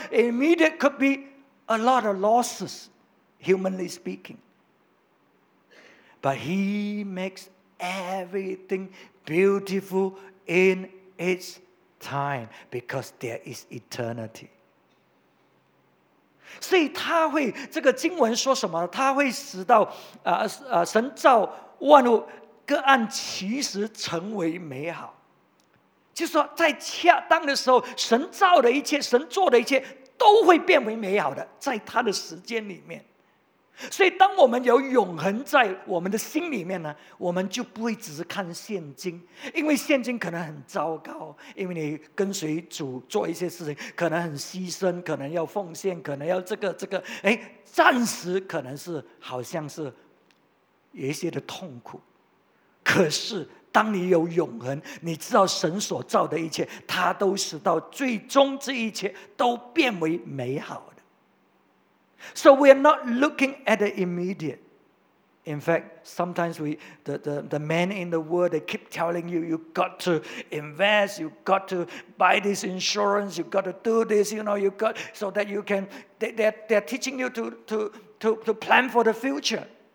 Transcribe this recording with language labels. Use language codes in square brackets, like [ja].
[en] The immediate could be a lot of losses, humanly speaking. But He makes everything beautiful in its time because there is eternity. [zh] 所以他会，这个经文说什么呢？他会使到神造万物各按其时成为美好，就是说在恰当的时候，神造的一切，神做的一切都会变为美好的，在他的时间里面。所以当我们有永恒在我们的心里面呢，我们就不会只是看现今，因为现今可能很糟糕，因为你跟随主做一些事情可能很牺牲，可能要奉献，可能要这个，哎，暂时可能是好像是有一些的痛苦，可是当你有永恒，你知道神所造的一切，他都使到最终这一切都变为美好的。 [en] So we are not looking at the immediate. In fact, sometimes the men in the world, they keep telling you, you've got to invest, you've got to buy this insurance, you've got to do this, you know, you've got, so that you can, they're teaching you to plan for the future.